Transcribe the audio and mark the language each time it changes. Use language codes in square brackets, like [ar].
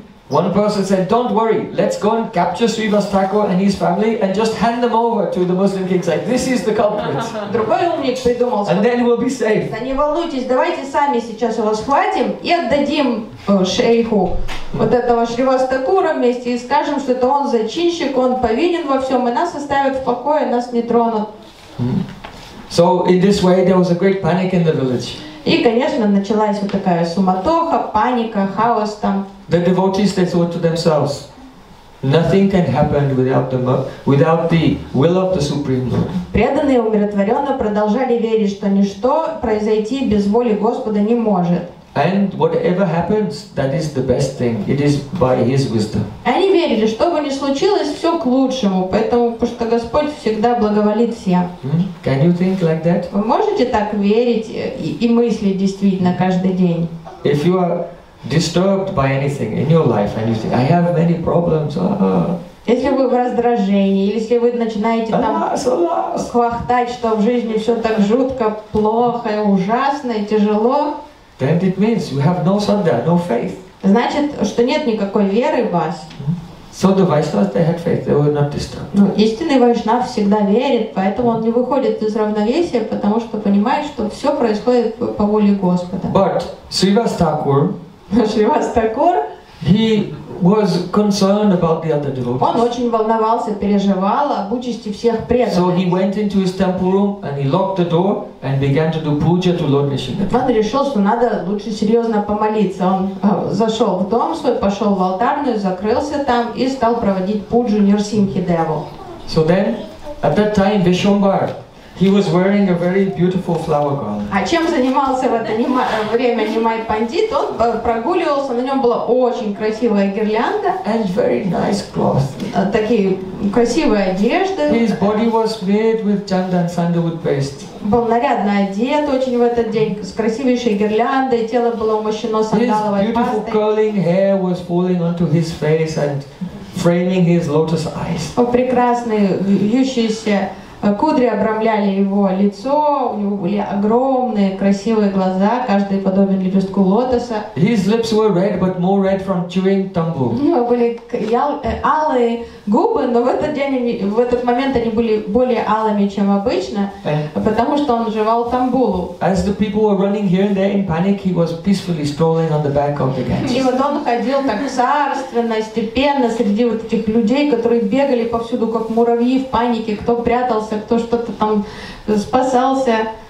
[en] One person said, "Don't worry, let's go and capture Shrivas Thakur and his family and just hand them over to the Muslim king. Like, this is the culprit." [ru] Другой умник придумал. [en] And then we'll be safe. [ru] Да не волнуйтесь, давайте сами сейчас его схватим и отдадим шейху вот этого Шривас Такура вместе и скажем, что это он зачинщик, он повинен во всем, и нас оставят в покое, нас не тронут. [en] So in this way, there was a great panic in the village. [ru] И, конечно, началась вот такая суматоха, паника, хаос там. [en] The devotees they thought to themselves, Nothing can happen without the will of the Supreme Lord. [ru] Преданные умиротворенно продолжали верить, что ничто произойти без воли Господа не может. [en] And whatever happens, that is the best thing. It is by His wisdom. [ru] Они верили, что бы ни случилось, все к лучшему, поэтому, потому что Господь всегда благоволит всем. [en] Can you think like that? [ru] Вы можете так верить и мыслить действительно каждый день? [en] If you are disturbed by anything in your life, and you think, I have many problems. [ru] Если вы в раздражении, или если вы начинаете там квахтать, что в жизни все так жутко, плохо, и ужасно, и тяжело. [en] Then it means you have no sadha, no faith. [ru] Значит, что нет никакой веры в вас. [en] So the Vaishnavas, they had faith, they were not disturbed. [ru] Ну, истинный вайшнав всегда верит, поэтому он не выходит из равновесия, потому что понимает, что все происходит по воле Господа. [en] But Srivastakur, [ru] Шривастакур, [en] he was concerned about the other devotees. [ru] Он очень волновался, переживал об участи всех преданных. [en] So he went into his temple room and he locked the door and began to do puja to Lord Nishinath. [ru] Он решил, что надо лучше серьезно помолиться. Он зашел в дом свой, пошел в алтарную, закрылся там и стал проводить пуджу Нирсимхидеву. [en] So then, at that time, Vishwambar, he was wearing a very beautiful flower garland. [ru] А чем занимался в это время Нимай Пандит? Он прогуливался, на нем была очень красивая гирлянда. [en] And very nice cloth. [ru] Такие красивые одежды. [en] His body was made with chandan sandalwood paste. [ru] Был нарядно одет очень в этот день, с красивейшей гирляндой, тело было умощено сандаловой пастой. [en] His beautiful curling hair was falling onto his face and framing his lotus eyes. [ru] Прекрасные вьющиеся кудри обрамляли его лицо, у него были огромные красивые глаза, каждый подобен лепестку лотоса. [en] His lips were red, but more red from chewing tambur. [ru] У него были алые губы, но в этот день, в этот момент они были более алыми, чем обычно, потому что он жевал тамбулу. [en] As the people were running here and there in panic, he was peacefully strolling on the back of the Ganges. [ru] И вот он ходил так царственно, степенно среди вот этих людей, которые бегали повсюду, как муравьи в панике, кто прятался, кто что-то там спасался.